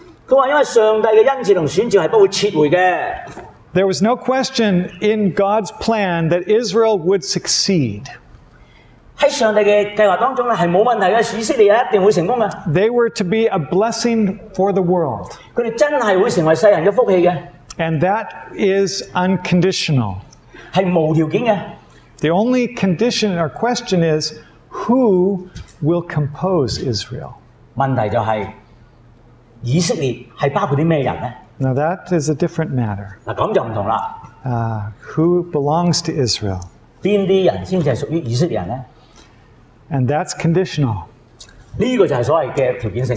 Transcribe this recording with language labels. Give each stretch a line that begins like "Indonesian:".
Cantonese: 佢話因為上帝嘅恩賜同選召係不會撤回嘅。
English: There was no question in God's plan that Israel would succeed.
Cantonese: 喺上帝嘅計劃當中咧，係冇問題嘅，以色列一定會成功嘅。
English: They were to be a blessing for the world.
Cantonese: 佢哋真係會成為世人嘅福氣嘅。
English: And that is unconditional.
Cantonese: 係無條件嘅。
English: The only condition or question is, who will compose Israel?
Cantonese: 問題就係以色列係包括啲咩人咧？
English: Now that is a different matter.
Cantonese: 嗱，咁就唔同啦。
English: Who belongs to Israel?
Cantonese: 邊啲人先至係屬於以色列人咧？
English: And that's conditional.
Cantonese: 呢個就係所謂嘅條件性。